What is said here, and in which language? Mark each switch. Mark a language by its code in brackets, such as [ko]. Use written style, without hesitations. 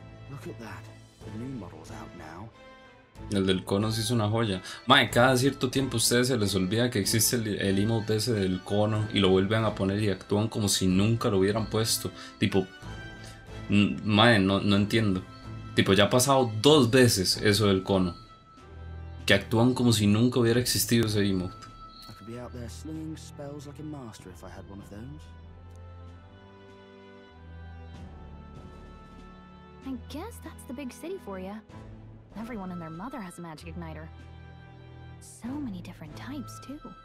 [en] Look at that. The new model's out now. [es] El del cono sí es una joya. Mae, cada cierto tiempo a ustedes se les olvida que existe el emote ese del cono y lo vuelven a poner y actúan como si nunca lo hubieran puesto. Tipo, mae, no entiendo. Tipo, ya ha pasado dos veces eso del cono. Que actúan como si nunca hubiera existido ese emote. [en] I could be out there slinging spells like a master if I had one of those. I guess that's the big city for you. Everyone and their mother has a magic igniter. So many different types, too.